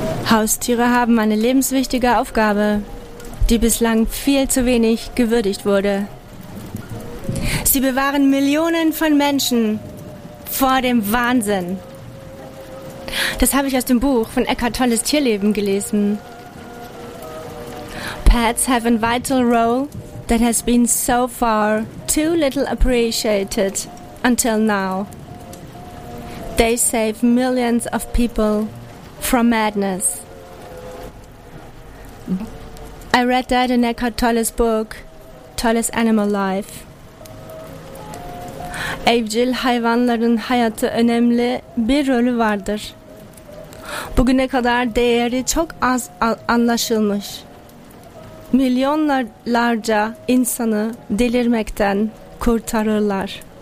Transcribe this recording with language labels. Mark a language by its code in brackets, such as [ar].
[de] Haustiere haben eine lebenswichtige Aufgabe, die bislang viel zu wenig gewürdigt wurde. Sie bewahren Millionen von Menschen vor dem Wahnsinn. Das habe ich aus dem Buch von Eckhart Tolles Tierleben gelesen. [en] Pets have a vital role that has been so far too little appreciated until now. They save millions of people from madness. I read that in Eckhart Tolle's book, Tolle's Animal Life. [tr] Evcil hayvanların hayatı önemli bir rolü vardır. Bugüne kadar değeri çok az anlaşılmış. Milyonlarca insanı delirmekten kurtarırlar.